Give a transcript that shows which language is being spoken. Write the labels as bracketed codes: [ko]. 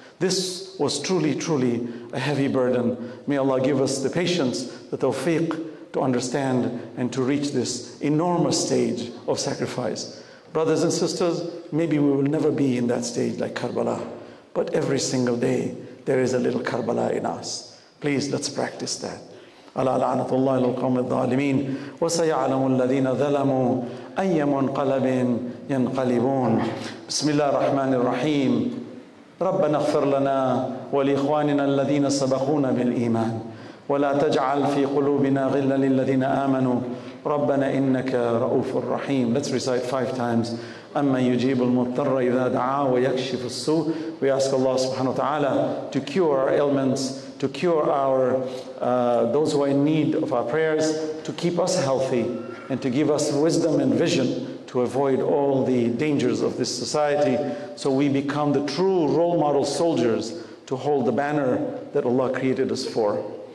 [en] This was truly, truly a heavy burden. May Allah give us the patience, the tawfiq, to understand and to reach this enormous stage of sacrifice. Brothers and sisters, maybe we will never be in that stage like Karbala, but every single day there is a little Karbala in us. Please, let's practice that. [ar] ألا لعنة الله على القوم الظالمين وسيعلم الذين ظلموا أي منقلب ينقلبون بسم الله الرحمن الرحيم ربنا اغفر لنا ولإخواننا الذين سبقونا بالإيمان ولا تجعل في قلوبنا غلا للذين آمنوا ربنا إنك رؤوف رحيم. [en] Let's recite 5 times. [ar] أما يجيب المضطر إذا دعاه ويكشف السوء. [en] We ask Allah سبحانه وتعالى to cure our ailments, to cure our those who are in need of our prayers, to keep us healthy, and to give us wisdom and vision to avoid all the dangers of this society, so we become the true role model soldiers to hold the banner that Allah created us for.